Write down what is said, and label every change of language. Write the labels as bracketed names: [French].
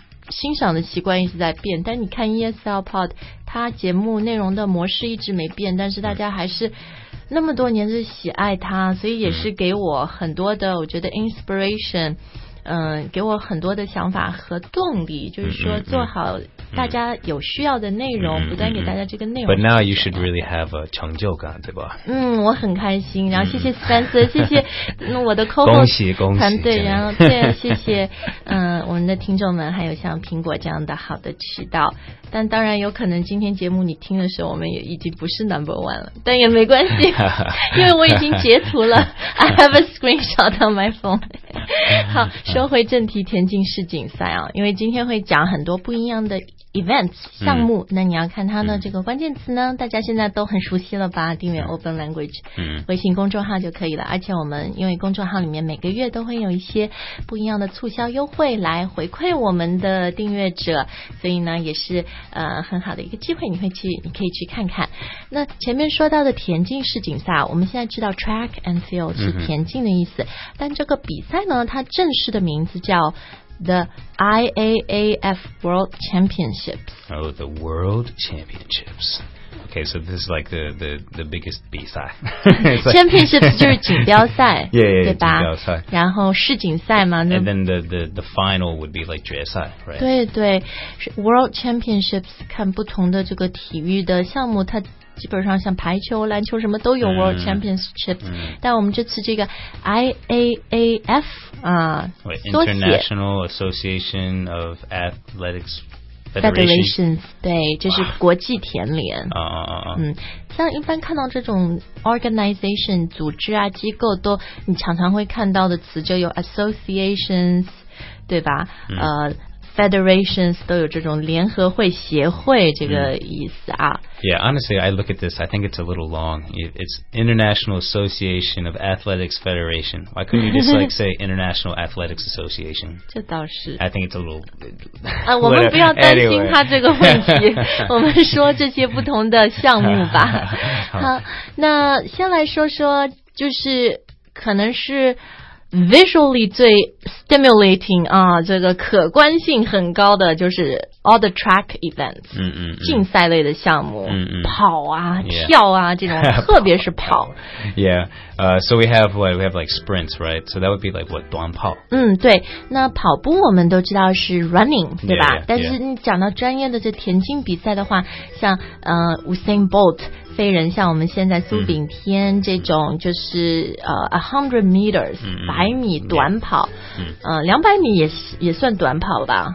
[Chinese] 欣赏的习惯一直在变但你看 ESL Pod 他节目内容的模式一直没变但是大家还是那么多年是喜爱他所以也是给我很多的我觉得 inspiration给我很多的想法和动力就是说做好大家有需要的内容不断给大家这个内容 [English] But now you should really have a [Chinese] 成就感对吧我很开心然后谢谢 Spencer 谢谢我的 co-host 恭喜恭喜团队然后对谢谢我们的听众们还有像苹果这样的好的渠道但当然有可能今天节目你听的时候我们也已经不是 [English] number one [Chinese] 了但也没关系因为我已经截图了 [English] I have a screenshot on my phone [Chinese] 好说回正题田径世锦赛啊因为今天会讲很多不一样的events 项目那你要看它的这个关键词呢大家现在都很熟悉了吧订阅 Open Language 微信公众号就可以了而且我们因为公众号里面每个月都会有一些不一样的促销优惠来回馈我们的订阅者所以呢也是很好的一个机会你可以去看看那前面说到的田径世锦赛我们现在知道 track and field 是田径的意思但这个比赛呢它正式的名字叫The IAAF World Championships. [English] Oh, the World Championships. Okay, so this is like the biggest 比赛 [Chinese] Championships 就是锦标赛 [English] yeah, [Chinese] 对吧锦标赛然后世锦赛嘛 [English] And then the final would be like 决赛 right? [Chinese] 对对 World Championships 看不同的这个体育的项目它基本上像排球篮球什么都有 World Championships、但我们这次这个 IAAF [English] International Association of Athletics [Chinese] Federations 对这是国际田联、像一般看到这种 organization 组织啊机构都你常常会看到的词就有 associations 对吧、Federations 都有这种联合会协会这个意思啊 [English] Yeah, honestly, I look at this, I think it's a little long. It's International Association of Athletics Federation. Why couldn't you just like say International Athletics Association? [Chinese] 这倒是 [English] I think it's a little... [Chinese] 我们不要担心他这个问题我们说这些不同的项目吧好那先来说说就是可能是Visually 最 stimulating 啊，这个可观性很高的就是 all the track events， 竞赛类的项目，跑啊、跳啊这种，特别是跑。 [English] Yeah, so we have like sprints, right? So that would be like what 短跑。 [Chinese] 对，那跑步我们都知道是 running， 对吧？ [English] Yeah, yeah, [Chinese] 但是你讲到专业的这田径比赛的话，像Usain Bolt。飞人，像我们现在苏炳添这种，就是100 meters 百米短跑，200米也算短跑吧